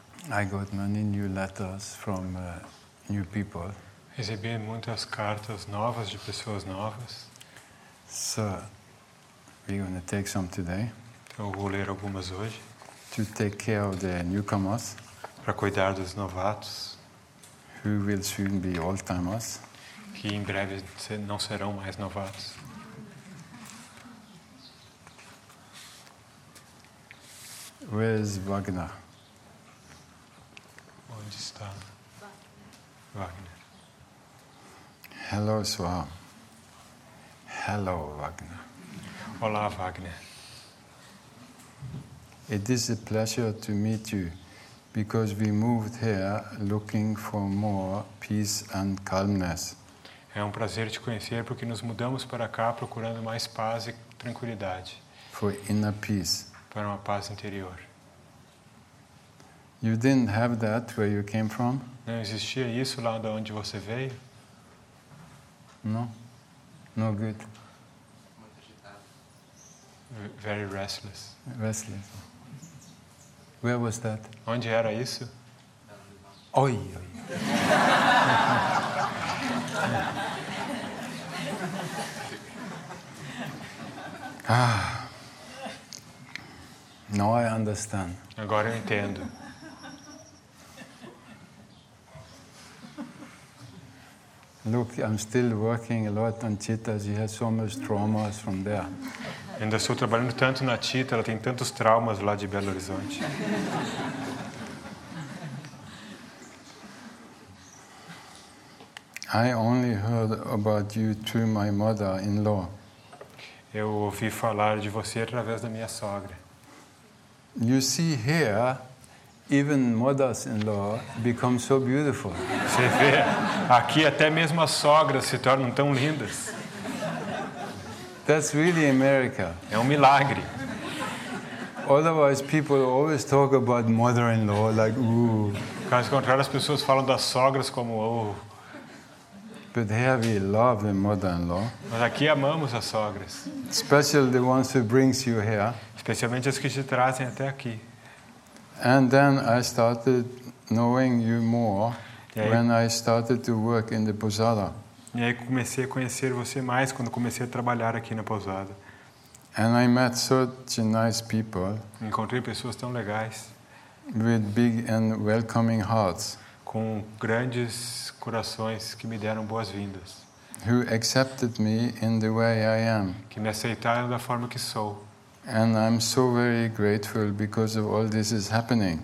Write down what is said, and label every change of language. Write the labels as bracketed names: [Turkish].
[English] I got many new letters from new people. [Portuguese] Recebi muitas cartas novas de pessoas novas. [English] So, we're going to take some today. [Portuguese] Então, vou ler algumas hoje. [English] To take care of the newcomers. [Portuguese] Para cuidar dos novatos. [English] Who will soon be old timers. [Portuguese] Que em breve não serão mais novatos. [English] Where's Wagner? [Portuguese] Onde está Wagner? [English] Hello, Swaha. Hello, Wagner. [Portuguese] Olá, Wagner. [English] It is a pleasure to meet you because we moved here looking for more peace and calmness. [Portuguese] É um prazer te conhecer porque nos mudamos para cá procurando mais paz e tranquilidade. [English] For inner peace. [Portuguese] Para uma paz interior. [English] You didn't have that where you came from? [Portuguese] Não existia isso lá de onde você veio? [English] No. No good. Very restless. Restless. Where was that? [Portuguese] Onde era isso? Oi, oi. [English] Ah. Now I understand. [Portuguese] Agora eu entendo. [English] Look, I'm still working a lot on cheetahs. He has so much traumas from there. [Portuguese] Ainda estou trabalhando tanto na Tita, ela tem tantos traumas lá de Belo Horizonte. [English] I only heard about you through my mother-in-law. [Portuguese] Eu ouvi falar de você através da minha sogra. [English] You see here, even mothers-in-law become so beautiful. [Portuguese] Você vê, aqui até mesmo as sogras se tornam tão lindas. [English] That's really a miracle. [Portuguese] É um milagre. [English] Otherwise, people always talk about mother-in-law like, ooh. [Portuguese] Caso contrário, as pessoas falam das sogras como, oh. [English] But here we love the mother-in-law. [Portuguese] Mas aqui amamos as sogras. [English] Especially the ones who brings you here. [Portuguese] Especialmente as que te trazem até aqui. [English] And then I started knowing you more when I started to work in the posada. [Portuguese] E aí comecei a conhecer você mais quando comecei a trabalhar aqui na pousada. [English] And I met such nice people. [Portuguese] Encontrei pessoas tão legais. [English] With big and welcoming hearts. [Portuguese] Com grandes corações que me deram boas-vindas. [English] Who accepted me in the way I am. [Portuguese] Que me aceitaram da forma que sou. [English] And I'm so very grateful because of all this is happening.